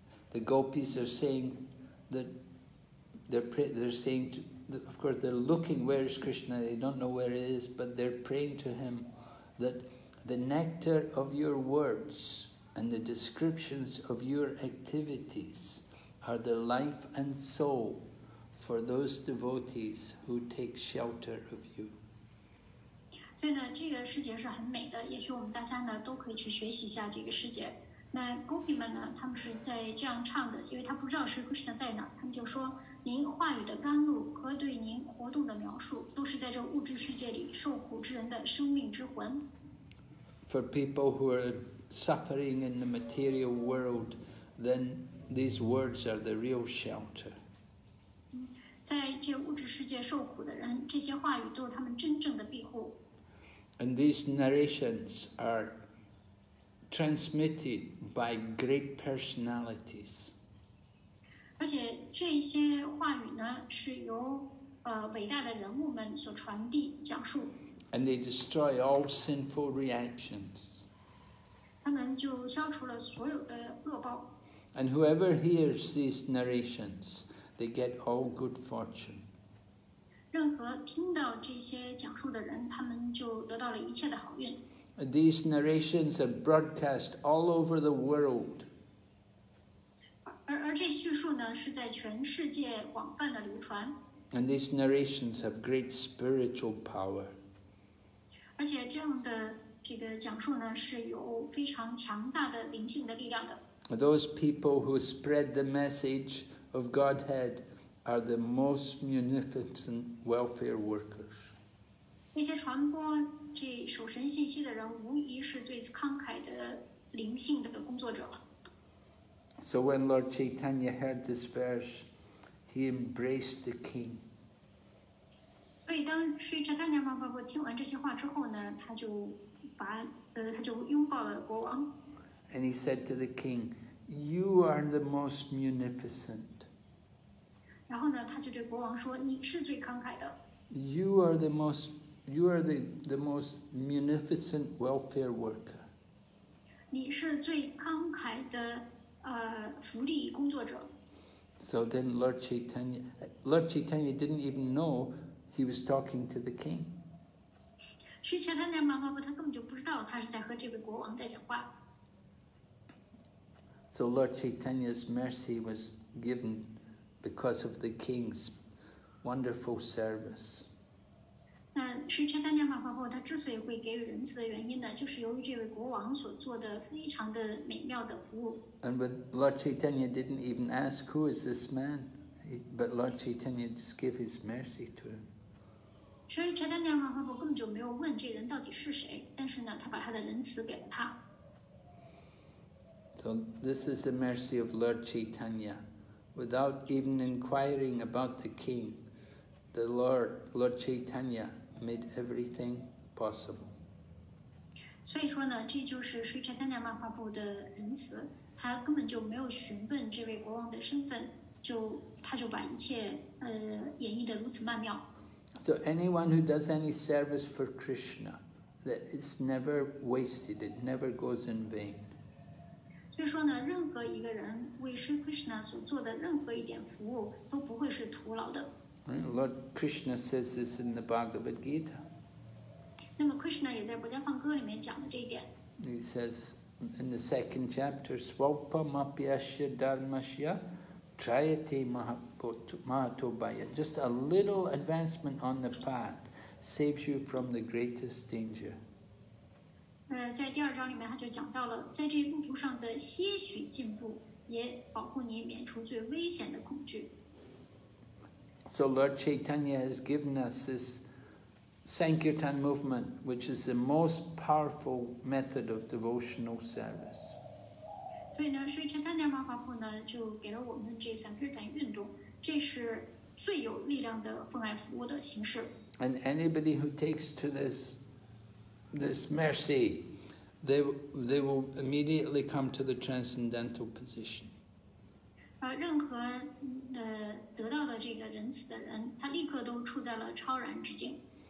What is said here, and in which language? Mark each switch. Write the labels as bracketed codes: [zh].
[en] The gopis are saying that they're saying to, of course they're looking where is Krishna, they don't know where it is, but they're praying to him that the nectar of your words and the descriptions of your activities are the life and soul for those devotees who take shelter of you. [zh] 所以呢，这个诗节是很美的，也许我们大家呢都可以去学习一下这个诗节。那 Gopi 们呢，他们是在这样唱的，因为他不知道是 Krishna 在哪，他们就说：“您话语的甘露和对您活动的描述，都是在这物质世界里受苦之人的生命之魂。” [en] For people who are suffering in the material world, then these words are the real shelter. [zh] 在这物质世界受苦的人，这些话语都是他们真正的庇护。 [en] And these narrations are transmitted by great personalities. [zh] 而且这些话语呢，是由伟大的人物们所传递、讲述。 [en] And they destroy all sinful reactions. [zh] 他们就消除了所有的恶报。 [en] And whoever hears these narrations, they get all good fortune. [zh] 任何听到这些讲述的人，他们就得到了一切的好运。 [en] These narrations are broadcast all over the world. [zh] 而这叙述呢，是在全世界广泛的流传。 [en] And these narrations have great spiritual power. [zh] 而且这样的这个讲述呢，是有非常强大的灵性的力量的。 [en] Those people who spread the message of Godhead are the most munificent welfare workers. [zh] 那些传播这属神信息的人，无疑是最慷慨的灵性的工作者。 [en] So when Lord Chaitanya heard this verse, he embraced the king. [zh] 所以当释迦牟尼佛马哈布听完这些话之后呢，他就拥抱了国王。 [en] And he said to the king, "You are the most munificent." [zh] 然后呢，他就对国王说：“你是最慷慨的。” [en] You are the most munificent welfare worker. [zh] 你是最慷慨的福利工作者。 [en] So then, Lord Chaitanya didn't even know he was talking to the king. [zh] 释迦牟尼佛马哈布他根本就不知道他是在和这位国王在讲话。 [en] So Lord Chaitanya's mercy was given because of the king's wonderful service. [zh] 那是 Chaitanya Mahaprabhu 他之所以会给予仁慈的原因呢，就是由于这位国王所做的非常的美妙的服务。 [en] And but Lord Chaitanya didn't even ask who is this man, but Lord Chaitanya just gave his mercy to him. [zh] 所以 Chaitanya Mahaprabhu 根本就没有问这人到底是谁，但是呢，他把他的仁慈给了他。 [en] So this is the mercy of Lord Chaitanya. Without even inquiring about the king, the Lord Chaitanya made everything possible. [zh] 所以说呢，这就是 Sri Chaitanya Mahaprabhu 的仁慈。他根本就没有询问这位国王的身份，他就把一切演绎得如此曼妙。 [en] So anyone who does any service for Krishna, that it's never wasted. It never goes in vain. [zh] 所以说呢，任何一个人为 Sri Krishna 所做的任何一点服务都不会是徒劳的。 [en] Lord Krishna says this in the Bhagavad Gita. [zh] 那么 Krishna 也在《博迦梵歌》里面讲了这一点。 [en] He says in the second chapter, [sa] "Svapa mapyasya dharmasya triyate mahatobaya." [en] Just a little advancement on the path saves you from the greatest danger. [zh] 在第二章里面他就讲到了在这路途上的些许进步也保护你免除最危险的恐惧。 [en] So Lord Chaitanya has given us this Sankirtan movement, which is the most powerful method of devotional service. [zh] 所以呢 Sri Chaitanya Mahaprabhu 呢就给了我们这 Sankirtan 运动，这是最有力量的奉爱服务的形式。 [en] And anybody who takes to this mercy, they will immediately come to the transcendental position. [zh] 任何得到了这个仁慈的人，他立刻都处在了超然之境。